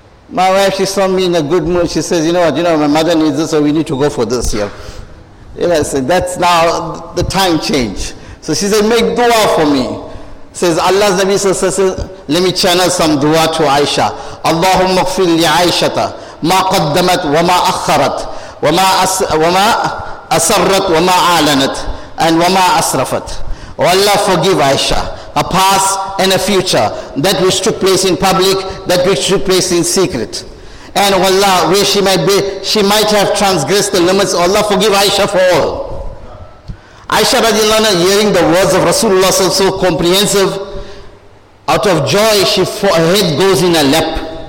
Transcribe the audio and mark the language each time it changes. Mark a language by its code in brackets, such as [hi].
[en] My wife, she saw me in a good mood. She says, you know, my mother needs this, so we need to go for this here. You know, I said, that's now the time change. So she said, make dua for me. Says, Allah's Nabi says, let me channel some dua to Aisha. [ar] Allahumma ghfir li Aishata, ma qaddamat wa ma akharat. وَمَا أَسَرَّتْ وَمَا أَعْلَنَتْ [en] and [ar] وَمَا أَسْرَفَتْ. [en] Oh Allah, forgive Aisha, a past and a future, that which took place in public, that which took place in secret. And oh Allah, where she might be, she might have transgressed the limits. Oh Allah, forgive Aisha for all. Aisha radiallahu anha, hearing the words of Rasulullah so comprehensive, out of joy, her head goes in her lap.